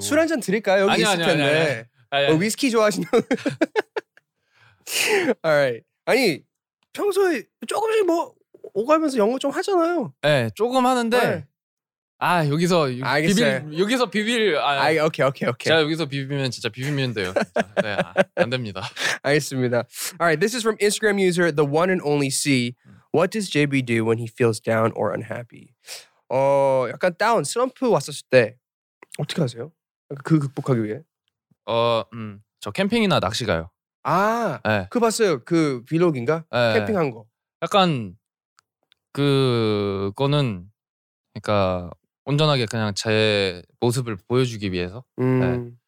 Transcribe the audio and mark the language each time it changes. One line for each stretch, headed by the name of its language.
Korean: 술 한잔 드릴까요? 여기 있을 텐데 위스키 좋아하시는
English: Alright.
Korean: 아니 평소에 조금씩 뭐 오가면서 영어 좀 하잖아요. 네 조금 하는데 아 여기서 비빌 여기서 비빌 오케이 제가 여기서 비비면 진짜 비비면 돼요. 진짜. 네, 안 됩니다. 알겠습니다.
English: Alright, this is from Instagram user the one and only C. What does JB do when he feels down or unhappy?
Korean: 약간 다운 슬럼프 왔었을 때 어떻게 하세요? 그 극복하기 위해? 저 캠핑이나 낚시 가요. 아, 네. 그 봤어요. 그 블로그인가? 네. 캠핑한 거. 약간 그거는 그러니까 온전하게 그냥 제 모습을 보여주기 위해서 네.